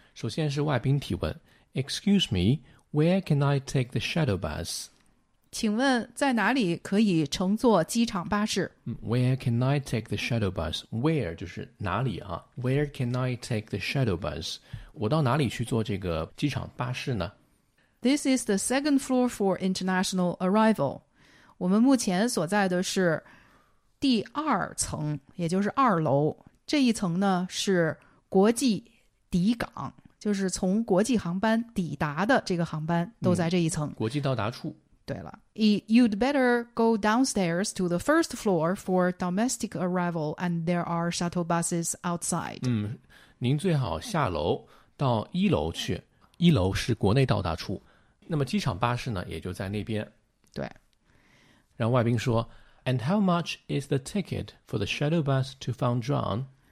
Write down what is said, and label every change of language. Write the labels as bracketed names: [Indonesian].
[Chinese] 首先是外宾提问 [English] ，Excuse me。Where can I take the shuttle bus? [Chinese] 请问在哪里可以乘坐机场巴士？ [English] Where can I take the shuttle bus? Where [Chinese] 就是哪里啊？ [English] Where can I take the shuttle bus? [Chinese] 我到哪里去坐这个机场巴士呢？ [English] This is the second floor for international arrival. [Chinese] 我们目前所在的是第二层，也就是二楼。这一层呢，是国际抵港。就是从国际航班抵达的这个航班都在这一层、嗯、国际到达处。 [English] 对了， You'd better go downstairs to the first floor for domestic arrival and there are shuttle buses outside. [Chinese] 嗯，您最好下楼到一楼去，一楼是国内到达处，那么机场巴士呢也就在那边。对，然后外宾说 [English] And how much is the ticket for the shuttle bus to Fangzhou?